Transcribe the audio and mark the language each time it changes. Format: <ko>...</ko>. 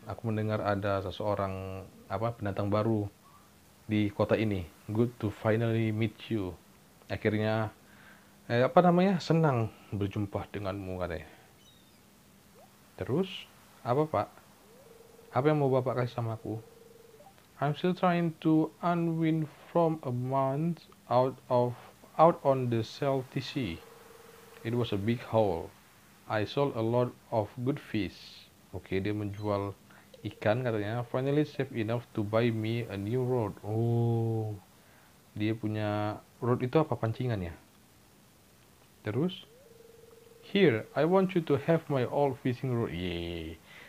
<id>Aku mendengar ada seseorang apa pendatang baru di kota ini.</id> <en>Good to finally meet you.</en> <id>Akhirnya apa namanya? Senang berjumpa denganmu katanya. Terus apa, Pak? Apa yang mau Bapak kasih sama aku?</id> <en>I'm still trying to unwind from a month out on the salty sea. It was a big haul. I sold a lot of good fish. Okay,</en> <id>dia menjual ikan katanya.</id> <en>Finally save enough to buy me a new rod.</en> <id>Oh, dia punya rod itu apa pancingannya?</id> <en>Terus, here I want you to have my old fishing rod. Yeah.</en>